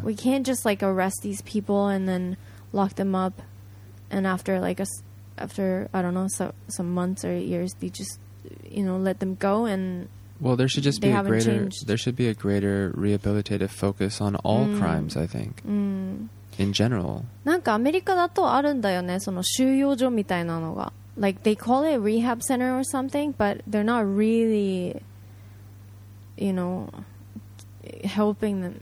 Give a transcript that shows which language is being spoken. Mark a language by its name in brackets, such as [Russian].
[English] We can't just like arrest these people and then lock them up, and after like some months or years, they just, you know, let them go. And well, there should just be a greater rehabilitative focus on all crimes, I think. In general. [Japanese] なんかアメリカだとあるんだよね、その収容所みたいなのが。 [English] Like they call it a rehab center or something, but they're not really, you know, helping them.